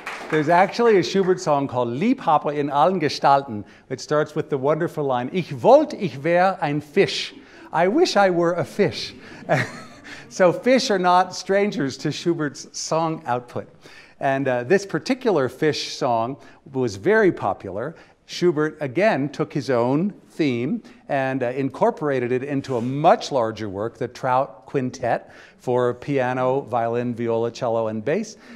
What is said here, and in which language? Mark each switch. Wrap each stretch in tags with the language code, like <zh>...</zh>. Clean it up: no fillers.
<en>There's actually a Schubert song called Liebhaber in allen Gestalten. It starts with the wonderful line,</en> <de>Ich wollte, ich wäre ein Fisch.</de> <en>I wish I were a fish. So fish are not strangers to Schubert's song output. And this particular fish song was very popular. Schubert, again, took his own theme and incorporated it into a much larger work, the Trout Quintet, for piano, violin, viola, cello, and bass.</en>